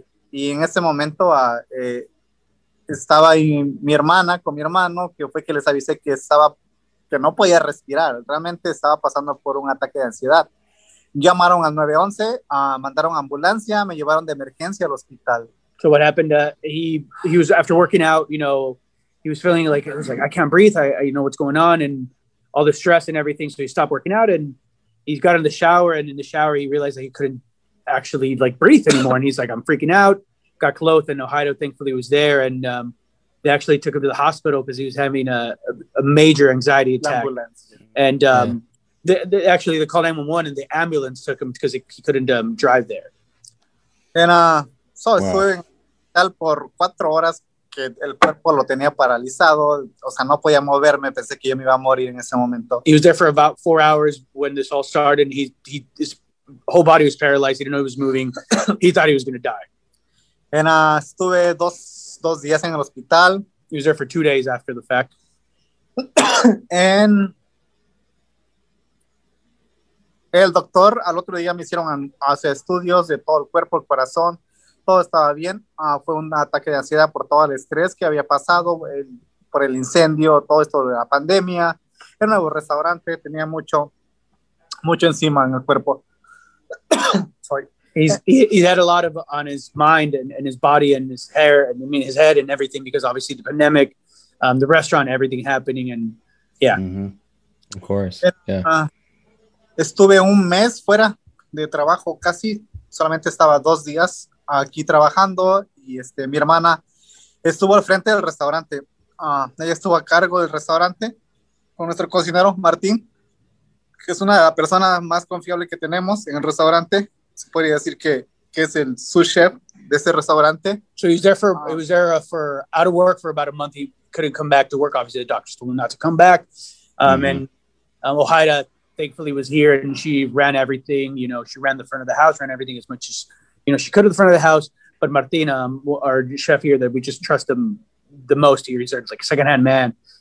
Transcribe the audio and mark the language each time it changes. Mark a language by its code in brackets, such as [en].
[es] Y en ese momento estaba ahí mi hermana con mi hermano, que fue que les avisé que no podía respirar. Realmente estaba pasando por un ataque de ansiedad. Llamaron al 911, mandaron ambulancia, me llevaron de emergencia al hospital. [en] So what happened, he was after working out, you know, he was feeling like, it was like, I can't breathe. I you know what's going on and all the stress and everything. So he stopped working out and he got in the shower, and in the shower, he realized that he couldn't actually like breathe anymore. And he's like, I'm freaking out. Got Cloth and Ojeda thankfully was there. And they actually took him to the hospital because he was having a major anxiety attack. And they called 911 and the ambulance took him because he couldn't drive there. [es] Estuve en tal por 4 horas que el cuerpo lo tenía paralizado, o sea, no podía moverme, pensé que yo me iba a morir en ese momento. [en] He was there for about 4 hours when this all started, and his whole body was paralyzed, he didn't know he was moving, he thought he was going to die. [es] Estuve dos días en el hospital. [en] He was there for 2 days after the fact. [es] El doctor, al otro día me hicieron hacer estudios de todo el cuerpo, el corazón. Todo estaba bien. Fue un ataque de ansiedad por todo el estrés que había pasado por el incendio, todo esto de la pandemia. El nuevo restaurante tenía mucho encima en el cuerpo. [en] Sorry. He's had a lot of on his mind and his body and his hair and I mean his head and everything because obviously the pandemic, the restaurant, everything happening and yeah. Mm-hmm. Of course. Yeah. [es] Estuve un mes fuera de trabajo, casi solamente estaba 2 días aquí trabajando y mi hermana estuvo al frente del restaurante. Ella estuvo a cargo del restaurante con nuestro cocinero Martín, que es una de las personas más confiables que tenemos en el restaurante. Se podría decir que es el sous chef de ese restaurante. [en] So he's there for, he was there for out of work for about a month. He couldn't come back to work. Obviously, the doctors told him not to come back. Ojeda thankfully was here and she ran everything. You know, she ran the front of the house, ran everything as much as, you know, she could at the front of the house. But Martín, our chef here that we just trust him the most here, he's our, like a secondhand man.